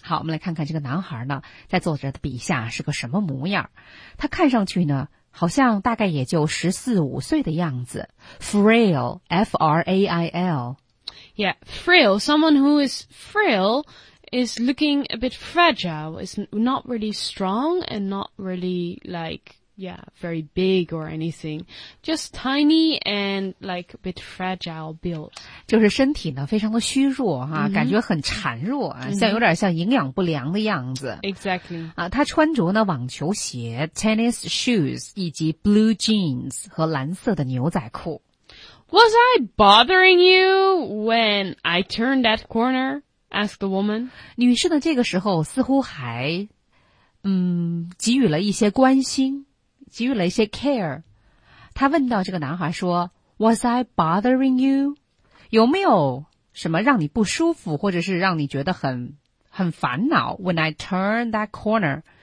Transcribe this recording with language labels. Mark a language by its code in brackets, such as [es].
[zh] 好，我们来看看这个男孩呢，在作者的笔下是个什么模样。他看上去呢，好像大概也就14、5岁的样子。 [en] Frail, F-R-A-I-L. Yeah, frail, someone who is frail,is looking a bit fragile, is not really strong and not really like, yeah, very big or anything. Just tiny and like a bit fragile built. [zh] 就是身体呢非常的虚弱啊、mm-hmm. 感觉很孱弱、啊 mm-hmm. 像有点像营养不良的样子。 [en] Exactly. [zh] 啊他穿着呢网球鞋 , [en] tennis shoes, [zh] 以及 [en] blue jeans [zh] 和蓝色的牛仔裤。 [en] Was I bothering you when I turned that corner? Ask the woman. [zh] 女士呢这个时候似乎还给予了一些关心给予了一些 care. 她问到这个男孩说 [en] Was I bothering you? [zh] 有没有什么让你不舒服或者是让你觉得很烦恼 [en] When I turn that corner.